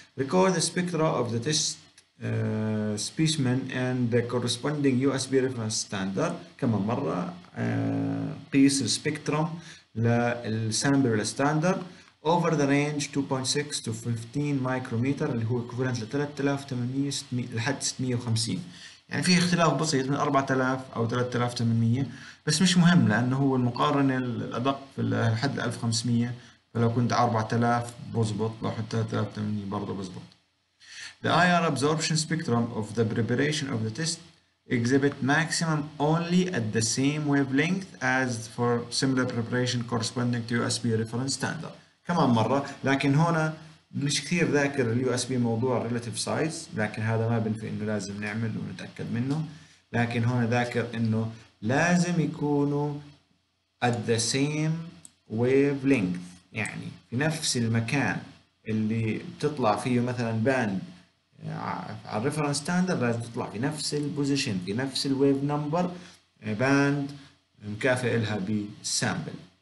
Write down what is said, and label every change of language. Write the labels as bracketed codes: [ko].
[en] Record the spectra of the test specimen and the corresponding USB reference standard. [ar] كمان مرة قيس spectrum لل sample standard [en] over the range 2.6 to 15 micrometer [ar] اللي هو equivalent ل 3800 لحد 650. يعني في اختلاف بسيط من 4000 او 3800, بس مش مهم لانه هو المقارنه الادق في لحد 1500, فلو كنت 4000 بزبط, لو حتى 3800 برضه بزبط. [en] The IR absorption spectrum of the preparation of the test exhibit maximum only at the same wavelength as for similar preparation corresponding to USB reference standard. [ar] كمان مره, لكن هنا مش كثير ذاكر الـ USB موضوع relative size, لكن هذا ما بنفي انه لازم نعمل ونتأكد منه, لكن هون ذاكر انه لازم يكونوا [en] at the same wavelength [ar] يعني في نفس المكان اللي بتطلع فيه مثلا band على الـ reference standard, لازم تطلع في نفس الـ position في نفس الـ wave number band مكافئ لها بـ sample.